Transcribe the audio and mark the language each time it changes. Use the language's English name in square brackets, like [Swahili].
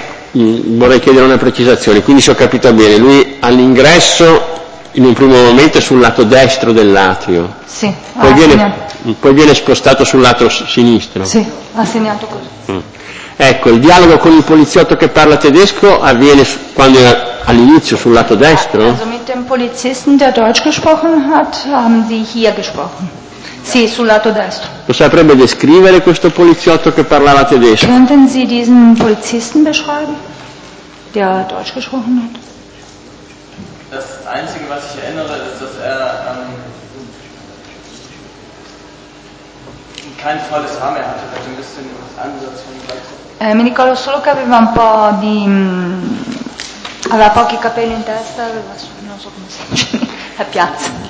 [Italian] Vorrei chiedere una precisazione, quindi se ho capito bene, lui all'ingresso in un primo momento è sul lato destro dell'atrio, sì, poi viene spostato sul lato sinistro. Sì, ha segnato così. Ecco, il dialogo con il poliziotto che parla tedesco avviene quando è all'inizio sul lato destro? [German] Also mit dem Polizisten, der Deutsch gesprochen hat, haben Sie hier gesprochen. [Italian] Sì, sul lato destro. Lo saprebbe descrivere questo poliziotto che parlava tedesco? [German] Könnten Sie diesen Polizisten beschreiben, der Deutsch gesprochen hat? Das Einzige, was ich erinnere, ist, dass er kein volles Haar mehr hatte, hatte ein bisschen Ansatz von Glatze. [Italian] Mi ricordo solo che aveva un po' di aveva pochi capelli in testa, aveva, non so come si dice, la piazza.